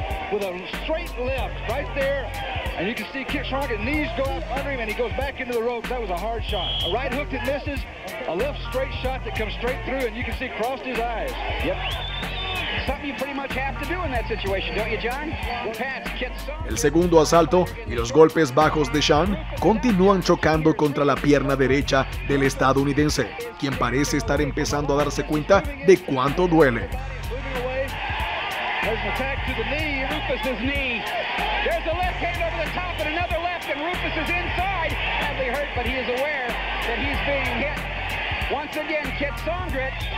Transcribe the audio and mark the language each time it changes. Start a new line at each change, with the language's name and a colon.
English: And you can see Kyatsongkrit knees go up under him and he goes back into the ropes. That was a hard shot. A right hook that misses, a left straight shot that comes straight through and you can see crossed his eyes. Yep. Something you pretty much have to do in that situation, don't you, John?
Spanish: El segundo asalto y los golpes bajos de Sean continúan chocando contra la pierna derecha del estadounidense, quien parece estar empezando a darse cuenta de cuánto duele.
English: There's an attack to the knee, Rufus's knee. There's a left hand over the top and another left, and Rufus is inside. Badly hurt, but he is aware that he's being hit. Once again, Kyatsongkrit